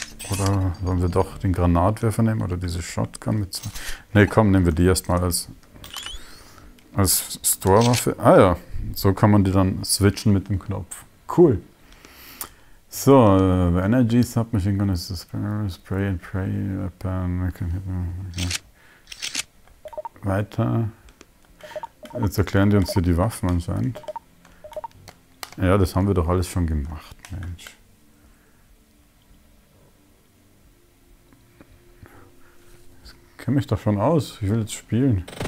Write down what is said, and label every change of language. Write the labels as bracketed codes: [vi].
[de] Oder sollen wir doch den Granatwerfer nehmen oder diese Shotgun mit zwei? Ne, komm, nehmen wir die erstmal als Store-Waffe. Ah ja, so kann man die dann switchen mit dem Knopf. Cool. [en] So, the energy submachine gun is a spray and pray weapon. [de] Okay. Weiter. Jetzt erklären die uns hier die Waffen anscheinend. Ja, das haben wir doch alles schon gemacht, Mensch. Ich kenne mich davon aus, ich will jetzt spielen.